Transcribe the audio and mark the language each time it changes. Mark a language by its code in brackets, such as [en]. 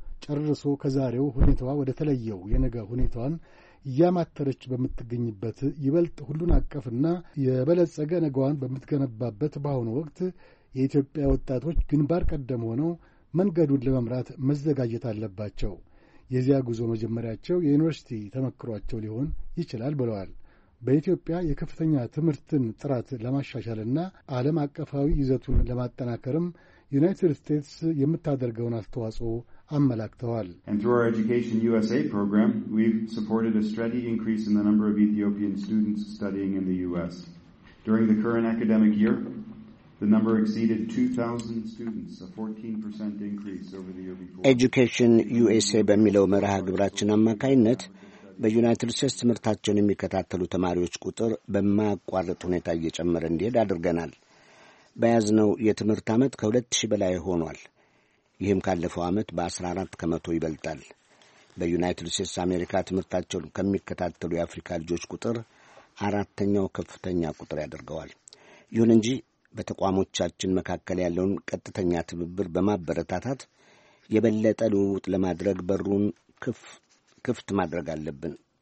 [am] ጨርሶ ከዛሬው ሁኔታዋ ወደ ተለየው የነገ ሁኔታዋን እያማተረች በምትገኝበት ይበልጥ ሁሉን አቀፍና የበለጸገ ነገዋን በምትገነባበት በአሁኑ ወቅት የኢትዮጵያ ወጣቶች ግንባር ቀደም ሆነው መንገዱን ለመምራት መዘጋጀት አለባቸው። የዚያ ጉዞ መጀመሪያቸው የዩኒቨርሲቲ ተመክሯቸው ሊሆን ይችላል ብለዋል። በኢትዮጵያ የከፍተኛ ትምህርትን ጥራት ለማሻሻልና ዓለም አቀፋዊ ይዘቱን ለማጠናከርም ዩናይትድ ስቴትስ የምታደርገውን አስተዋጽኦ አመላክተዋል። [en] And through our Education USA program, we've supported a steady increase in the number of Ethiopian students studying in the US. During the current academic year, the number exceeded 2000 students, a 14% increase over the year before. [am] Education USA በሚለው መርሃ ግብራችን አማካይነት በዩናይትድ ስቴትስ ምርታቸውን የሚከታተሉ ተማሪዎች ቁጥር በማያቋርጥ ሁኔታ እየጨመረ እንዲሄድ አድርገናል። በያዝነው የትምህርት ዓመት ከ2000 በላይ ሆኗል። ይህም ካለፈው ዓመት በ14% ይበልጣል። በዩናይትድ ስቴትስ አሜሪካ ትምህርታቸውን ከሚከታተሉ የአፍሪካ ልጆች ቁጥር አራተኛው ከፍተኛ ቁጥር ያደርገዋል። ይሁን እንጂ በተቋሞቻችን መካከለ ያለውን ቀጥተኛ ትብብር በማበረታታት የበለጠ ልውውጥ ለማድረግ በሩን ክፍት ማድረግ አለብን።